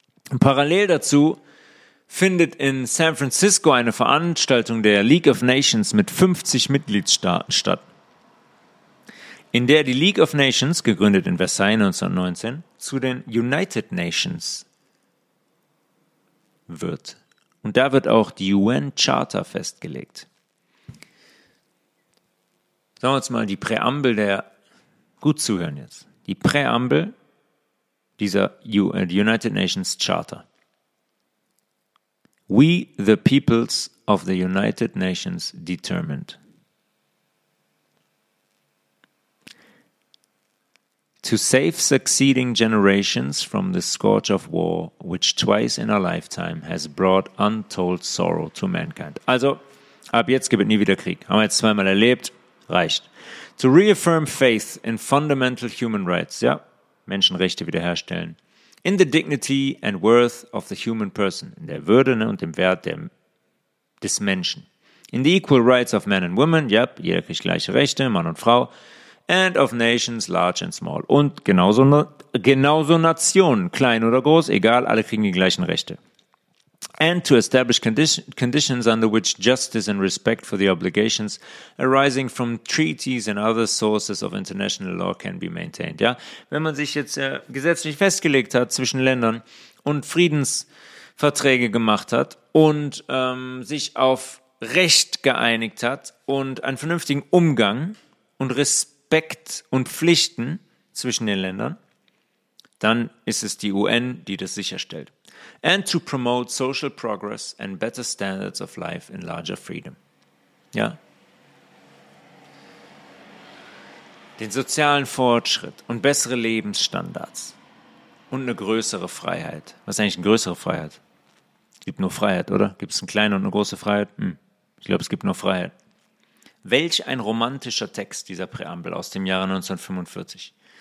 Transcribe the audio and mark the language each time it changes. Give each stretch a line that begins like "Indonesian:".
German: Und parallel dazu findet in San Francisco eine Veranstaltung der League of Nations mit 50 Mitgliedstaaten statt, in der die League of Nations, gegründet in Versailles 1919, zu den United Nations wird. Und da wird auch die UN Charter festgelegt. Sagen wir uns mal die Präambel der, gut zuhören jetzt, die Präambel dieser United Nations Charter.
English: We the peoples of the United Nations determined to save succeeding generations from the scourge of war, which twice in our lifetime has brought untold sorrow to mankind.
German: Also, ab jetzt gibt es nie wieder Krieg. Haben wir jetzt zweimal erlebt, reicht.
English: To reaffirm faith in fundamental human rights, ja,
German: Menschenrechte wiederherstellen.
English: In the dignity and worth of the human person,
German: in der Würde, ne, und dem Wert des Menschen.
English: In the equal rights of men and women, ja,
German: jeder kriegt gleiche Rechte, Mann und Frau.
English: And of nations, large and small.
German: Und genauso Nationen, klein oder groß, egal, alle kriegen die gleichen Rechte.
English: And to establish conditions under which justice and respect for the obligations arising from treaties and other sources of international law can be maintained.
German: Ja, wenn man sich jetzt gesetzlich festgelegt hat zwischen Ländern und Friedensverträge gemacht hat und sich auf Recht geeinigt hat und einen vernünftigen Umgang und Respekt und Pflichten zwischen den Ländern, dann ist es die UN, die das sicherstellt.
English: And to promote social progress and better standards of life in larger freedom.
German: Ja. Den sozialen Fortschritt und bessere Lebensstandards und eine größere Freiheit. Was ist eigentlich eine größere Freiheit? Gibt nur Freiheit, oder? Gibt es eine kleine und eine große Freiheit? Ich glaube, es gibt nur Freiheit. Welch ein romantischer Text, dieser Präambel aus dem Jahre 1945.